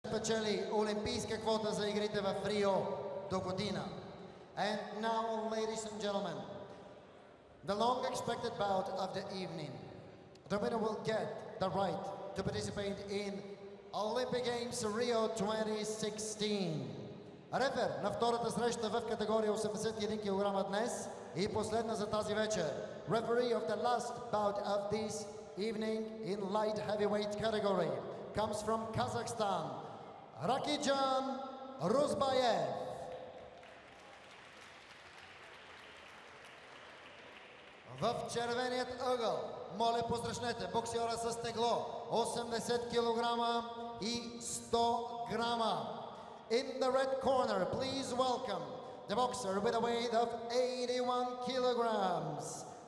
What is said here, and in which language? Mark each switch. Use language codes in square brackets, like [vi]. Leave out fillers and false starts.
[bg] спечели олимпийска квота за игрите в Рио до година. [en] And now, ladies and gentlemen, the long expected bout of the evening. The winner will get the right to participate in Olympic Games Rio 2016. [bg] Рефер на втората среща в категория 81 кг днес и последна за тази вечер. [en] Referee of the last bout of this evening in light heavyweight category comes from Kazakhstan, Rakijan Ruzbayev. [bg] В червеният ъгъл, моля посрещнете боксера с тегло 80 кг и 100 грама. [en] In the red corner, please welcome the boxer with a weight of 81 kilograms.